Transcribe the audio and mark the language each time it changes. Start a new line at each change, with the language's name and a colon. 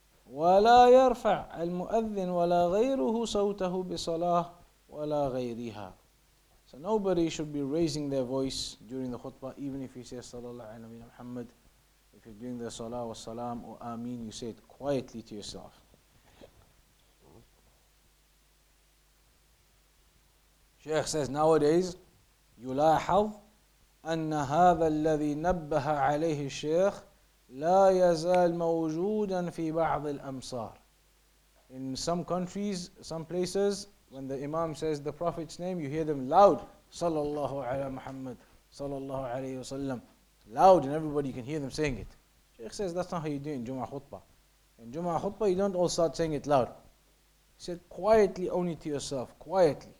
Arabic: وَلَا يَرْفَعَ الْمُؤَذِّنُ وَلَا غَيْرُهُ صَوْتَهُ بِصَلَاهُ وَلَا غَيْرِهَا.
English: So nobody should be raising their voice during the khutbah, even if you say sallallahu alayhi wa Muhammad. If you're doing the salah wa salam or ameen, you say it quietly to yourself. Sheikh says, nowadays,
Arabic: يلاحظ أن هذا الذي نبه عليه الشيخ لا يزال موجودا في بعض الأمصار.
English: In some countries, some places, when the Imam says the Prophet's name, you hear them loud.
Arabic: صلى الله على محمد صلى الله عليه وسلم.
English: Loud, and everybody can hear them saying it. Sheikh says, that's not how you do it in Jum'ah khutbah. In Jum'ah khutbah, you don't all start saying it loud. He said, quietly only to yourself, quietly.